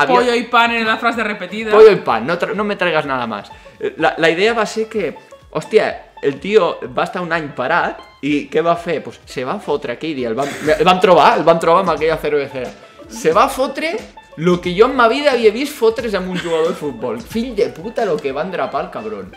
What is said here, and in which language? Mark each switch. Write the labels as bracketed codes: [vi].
[es] Pollo i pan en la frase repetida. Pollo i pan, no me traigues nada más. [ca] La idea va ser que, hòstia, el tio va estar un any parat i què va fer? Pues se va fotre aquell dia, el van trobar amb aquella cervecera. Se va fotre... Lo que jo en ma vida havia vist fotre's amb un jugador de futbol. Fill de puta lo que va endrapar el cabron.